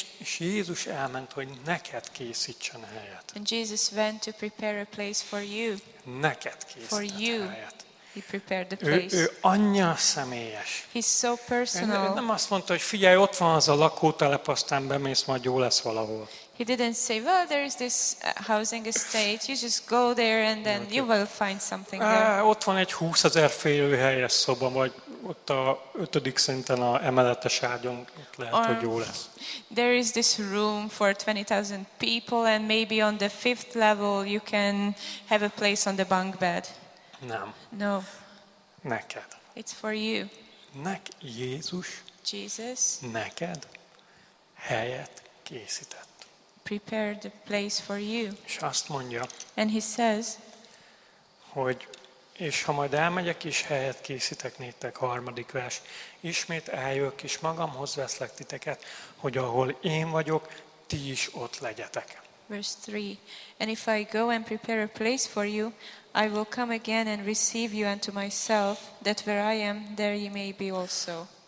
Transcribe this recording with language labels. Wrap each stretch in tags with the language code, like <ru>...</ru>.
<hu>És Jézus elment, hogy neked készítsen helyet.</hu> <en>And Jesus went to prepare a place for you.</en> <hu>Neked készített</hu> <en>for you.</en> <hu>Helyet.</hu> <en>He prepared the place.</en> <hu>Ő annyira személyes.</hu> <en>He's so personal.</en> <hu>Nem azt mondta, hogy figyelj, ott van az a lakótelep, aztán bemész, majd jó lesz valahol.</hu> <en>He didn't say, well, there is this housing estate. You just go there and then you will find something there.</en> <hu>Ott van egy 20,000 férőhelyes szoba, vagy ott a 5. szinten a emeletes ágyon lehet, hogy jó lesz.</hu> <en>There is this room for 20,000 people and maybe on the 5th level you can have a place on the bunk bed.</en> <hu>Nem.</hu> <en>No.</en> <hu>Neked.</hu> <en>It's for you.</en> <hu>Jézus.</hu> <en>Jesus.</en> <hu>Neked helyet készített.</hu> <en>Prepared the place for you.</en> <hu>És azt mondja.</hu> <en>And he says,</en> <hu>hogy és ha majd elmegyek és helyet készítek néktek, 3. vers, ismét eljök és magamhoz veszlek titeket, hogy ahol én vagyok, ti is ott legyetek.</hu> <en>Verse 3. And if I go and prepare a place for you, I will come again and receive you unto myself, that where I am, there ye may be also.</en>